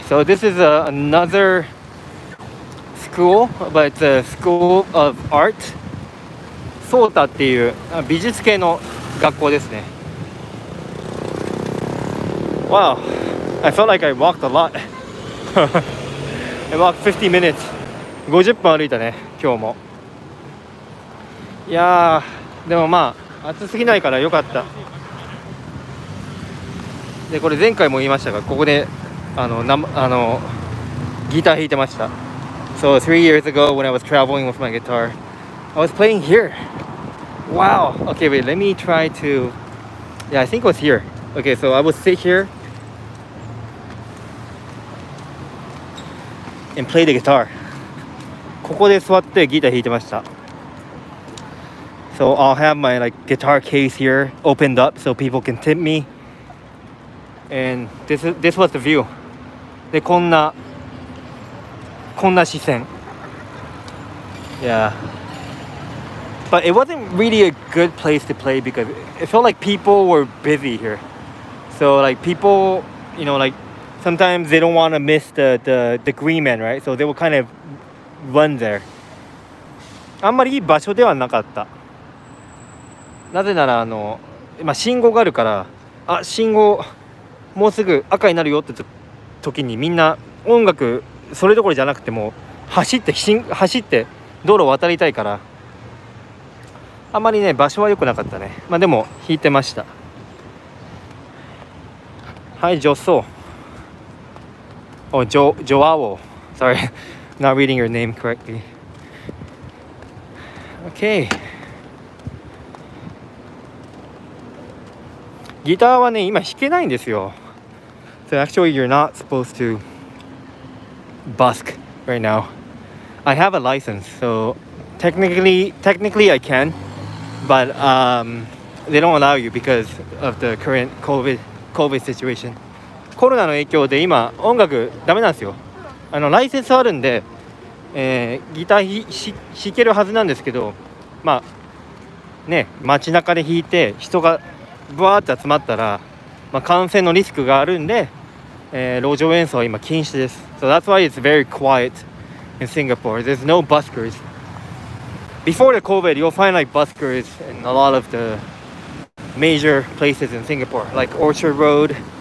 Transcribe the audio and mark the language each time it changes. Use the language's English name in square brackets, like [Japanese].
[English] So this is another school, but it's a school of art. [Japanese] ソータっていう美術系の学校ですね。 [English] Wow, I felt like I walked a lot. I walked 50 minutes. [Japanese] 50分歩いたね、今日も。いやー、でもまあ、暑すぎないからよかった。で、これ前回も言いましたが、ここで、ギター弾いてました。 [English] So, 3 years ago when I was traveling with my guitar, I was playing here. Wow! Okay, wait, let me try to... Yeah, I think it was here. Okay, so I would sit here. And play the guitar. [Japanese] ここで座ってギター弾いてました。 [English] So I'll have my like guitar case here opened up so people can tip me. And this was the view. [Japanese] で、こんな視線。 [English] Yeah. But it wasn't really a good place to play because it felt like people were busy here. So like people, you know, likeSometimes they don't want to miss the green man, right? So they will kind of run there. [Japanese] あんまりいい場所ではなかった。なぜなら、今信号があるから、あ、信号、もうすぐ赤になるよって時にみんな音楽それどころじゃなくても走って道路を渡りたいから、あまりね場所は良くなかったね。まあでも弾いてました。はい、助走。Oh, Joao. [English] Sorry, not reading your name correctly. Okay. [Japanese] ギターはね、今弾けないんですよ。 [English] So actually, you're not supposed to busk right now. I have a license, so technically I can, but they don't allow you because of the current COVID situation. [Japanese] コロナの影響で今音楽ダメなんですよ。あのライセンスあるんで、ギター弾けるはずなんですけど、まあね、街中で弾いて人がブワーって集まったら、まあ、感染のリスクがあるんで、路上演奏は今禁止です。 [English] So that's why it's very quiet in Singapore. There's no buskers. Before the COVID, you'll find like buskers in a lot of the major places in Singapore, like Orchard Road.